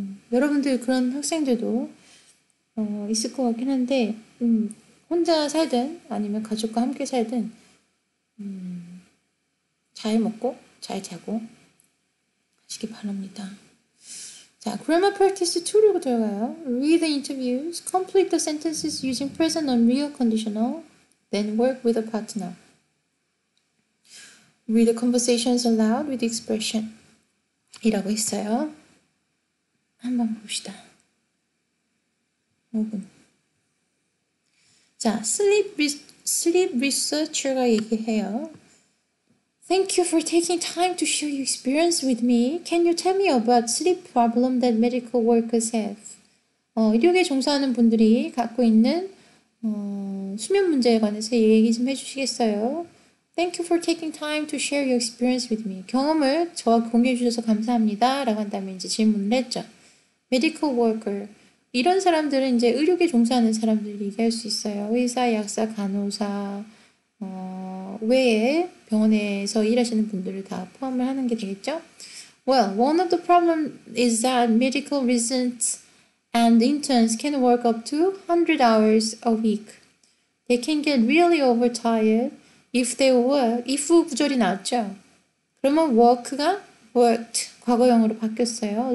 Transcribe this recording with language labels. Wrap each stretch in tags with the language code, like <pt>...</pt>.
<ko>여러분들 그런 학생들도 있을 것 같긴 한데, 혼자 살든 아니면 가족과 함께 살든 잘 먹고 잘 자고 하시기 바랍니다. 자, grammar practice 2로 들어가요.</ko> <en>Read the interviews, complete the sentences using present or real conditional, then work with a partner. Read the conversations aloud with expression.</en> <ko>이라고 했어요. 한번 봅시다. 5분. 자, sleep researcher가 얘기해요.</ko> <en>Thank you for taking time to share your experience with me. Can you tell me about sleep problem that medical workers have?</en> <ko>의료계 종사하는 분들이 갖고 있는 수면 문제에 관해서 얘기 좀 해주시겠어요?</ko> <en>Thank you for taking time to share your experience with me.</en> <ko>경험을 저와 공유해 주셔서 감사합니다. 라고 한다면 이제 질문을 했죠.</ko> <en>Medical worker.</en> <ko>이런 사람들은 이제 의료계 종사하는 사람들을 얘기할 수 있어요. 의사, 약사, 간호사, 외에 병원에서 일하시는 분들을 다 포함을 하는 게 되겠죠?</ko> <en>Well, one of the problem is that medical residents and interns can work up to 100 hours a week. They can get really overtired if they were, if</en> <ko>구절이 나왔죠? 그러면 work가 worked, 과거형으로 바뀌었어요.</ko>